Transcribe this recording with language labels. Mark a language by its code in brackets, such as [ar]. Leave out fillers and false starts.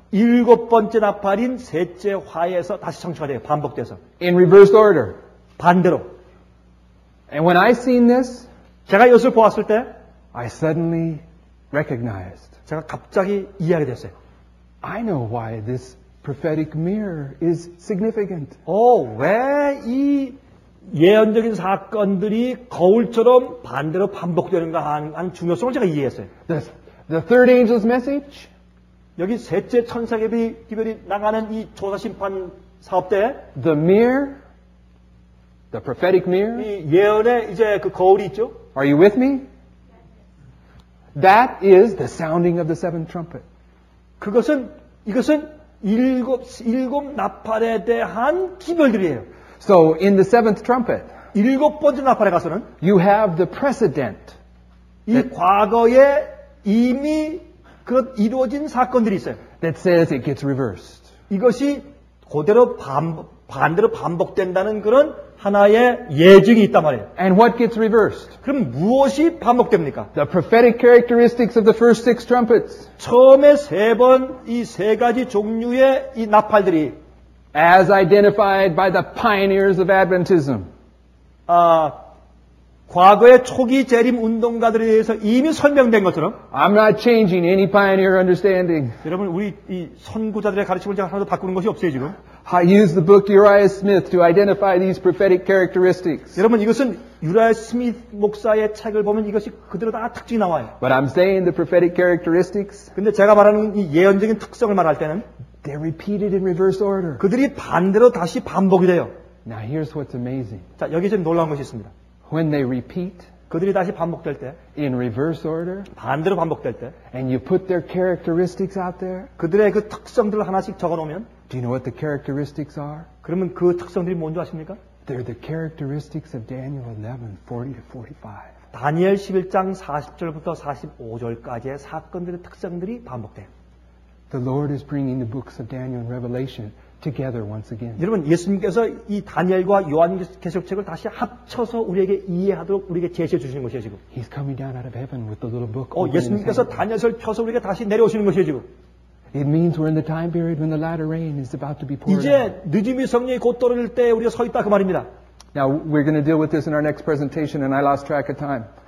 [ko] 일곱 번째 나팔인 셋째 화에서 다시 성취가 돼요. 반복돼서. [en] In reverse order. [ko] 반대로. [en] And when I seen this, [ko] 제가 이것을 보았을 때, [en] I suddenly recognized. [ko] 제가 갑자기 이해하게 됐어요. [en] I know why this prophetic mirror is significant. [ko] 왜 이 예언적인 사건들이 거울처럼 반대로 반복되는가 하는 중요성을 제가 이해했어요. [en] The third angel's message. [ko] 여기 셋째 천사의 기별이 나가는 이 조사 심판 사업 때. [en] The mirror. The prophetic mirror. [ko] 이 예언의 이제 그 거울이 있죠. [en] Are you with me? That is the sounding of the seventh trumpet. [ko] 그것은 이것은 일곱 나팔에 대한 기별들이에요. [en] So in the seventh trumpet, [ko] 일곱 번째 나팔에 가서는 [en] you have the precedent. [ko] 이 과거에 이미 그 이루어진 사건들이 있어요. [en] That says it gets reversed. [ko] 이것이 그대로 반대로 반복된다는 그런 하나의 예증이 있단 말이에요. [en] And what gets reversed? [ko] 그럼 무엇이 반복됩니까? [en] The prophetic characteristics of the first six trumpets. [ko] 처음에 세 번 이 세 가지 종류의 이 나팔들이 [en] as identified by the pioneers of Adventism. [ko] 과거의 초기 재림 운동가들에 대해서 이미 설명된 것처럼 [en] I'm not changing any pioneer understanding. [ko] 여러분 우리 이 선구자들의 가르침을 제가 하나도 바꾸는 것이 없어요, 지금. [en] I use the book Uriah Smith to identify these prophetic characteristics. [ko] 여러분 이것은 유라이 스미스 목사의 책을 보면 이것이 그대로 다 특징이 나와요. [en] But I'm saying the prophetic characteristics. [ko] 근데 제가 말하는 이 예언적인 특성을 말할 때는 [en] they're repeated in reverse order. [ko] 그들이 반대로 다시 반복이 돼요. [en] Now here's what's amazing. [ko] 자, 여기 좀 놀라운 것이 있습니다. [en] When they repeat, [ko] 그들이 다시 반복될 때, [en] in reverse order, [ko] 반대로 반복될 때, [en] and you put their characteristics out there, [ko] 그들의 그 특성들을 하나씩 적어놓으면, [en] do you know what the characteristics are? [ko] 그러면 그 특성들이 뭔지 아십니까? [en] They're the characteristics of Daniel 11, 40 to 45. [ko] 다니엘 11장 40절부터 45절까지의 사건들의 특성들이 반복돼요. [en] The Lord is bringing the books of Daniel and Revelation together once again. [ko] 여러분, 예수님께서 이 다니엘과 요한계시록책을 다시 합쳐서 우리에게 이해하도록 우리에게 제시해 주시는 것이에요, 지금. [en] He's coming down out of heaven with the little book. [ko] 예수님께서 다니엘서를 펴서 우리에게 다시 내려오시는 것이에요, 지금. [en] It means we're in the time period when the latter rain is about to be poured. [ko] 이제 늦음이 성령이 곧 떨어질 때 우리가 서 있다 그 말입니다. [en] Now we're going to deal with this in our next presentation and I lost track of time.